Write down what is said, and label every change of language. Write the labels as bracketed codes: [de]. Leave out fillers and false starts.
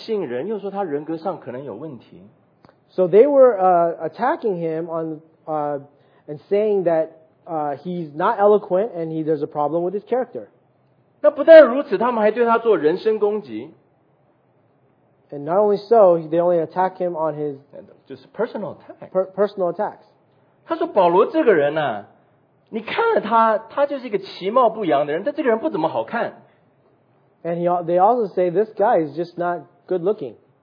[zh] 所以他们说他口才不好，讲话不信人，又说他人格上可能有问题。 [en] So they were attacking him on and saying that he's not eloquent and there's a problem with his character. [zh] 那不但如此，他们还对他做人身攻击。 [en] And not only so, they only attack him on his personal attacks. [zh] 他说保罗这个人啊，你看了他，他就是一个其貌不扬的人，但这个人不怎么好看。 [en] And they also say this guy is just not good looking.